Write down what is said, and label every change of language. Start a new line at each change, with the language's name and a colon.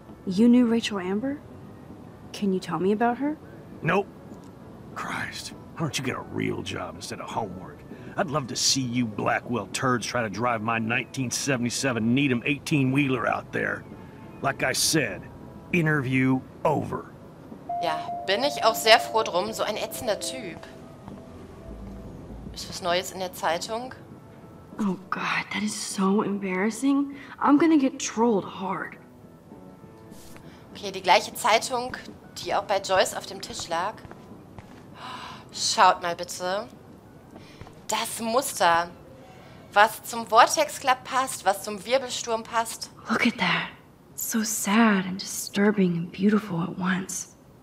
English: You knew Rachel Amber? Can you tell me about her? Nope. Christ, why don't you get a real job instead of homework? I'd love to see you Blackwell turds try to drive my 1977 Needham 18-wheeler out there. Like I said, interview over.
German: Ja, bin ich auch sehr froh drum, so ein ätzender Typ. Ist was Neues in der Zeitung?
English: Oh God, that is so embarrassing. I'm gonna get trolled hard.
German: Okay, die gleiche Zeitung, die auch bei Joyce auf dem Tisch lag. Schaut mal bitte. Das Muster. Was zum Vortex Club passt, was zum Wirbelsturm passt.
English: Look at that. So sad and disturbing and beautiful at once.